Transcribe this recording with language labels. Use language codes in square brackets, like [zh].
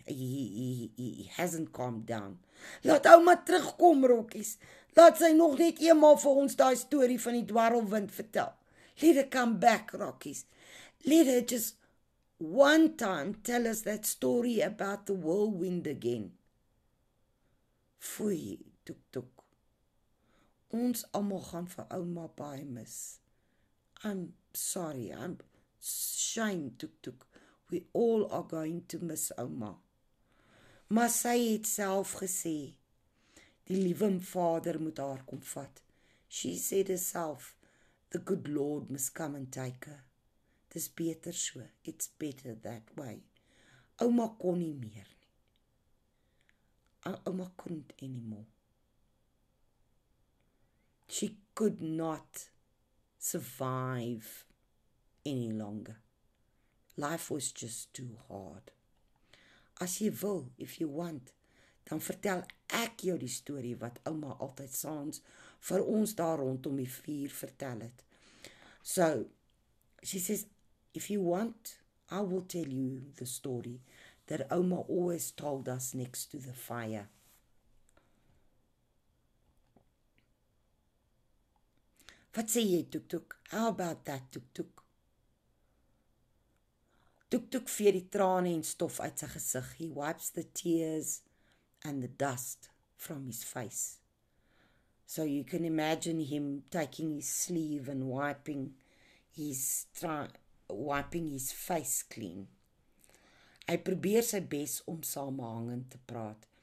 [en] He hasn't calmed down. [af] Laat ouma terugkom, [en] Rokkies. [af] Laat sy nog net eenmaal vir ons daai story van die dwarrelwind vertel. [en] Let her come back, Rokkies. Let her just one time tell us that story about the whirlwind again. [af] Foei, tuk tuk. Ons almal gaan vir ouma baie mis. [en] I'm sorry, I'm shame, [af] tuk tuk. [en] We all are going to miss ouma. [af] Maar sy het self gesê, die liewe vader moet haar kom vat. [en] She said herself, the good Lord must come and take her. [af] Dis beter so, [en] it's better that way. [af] Ouma kon nie meer nie. [en] Ouma couldn't anymore. She could not survive any longer. Life was just too hard. [af] As jy wil, [en] if you want, [af] dan vertel ek jou die story wat ouma altyd saans vir ons daar rondom die vuur vertel het. [en] So, she says, if you want, I will tell you the story that ouma always told us next to the fire. [af] Wat sê jy, Tuk Tuk? [en] How about that, [af] Tuk Tuk? Tuk Tuk veer die trane en stof uit sy gesig. [en] He wipes the tears and the dust from his face. So you can imagine him taking his sleeve and wiping his face clean. [af] Hy probeer sy bes om samehangend te praat.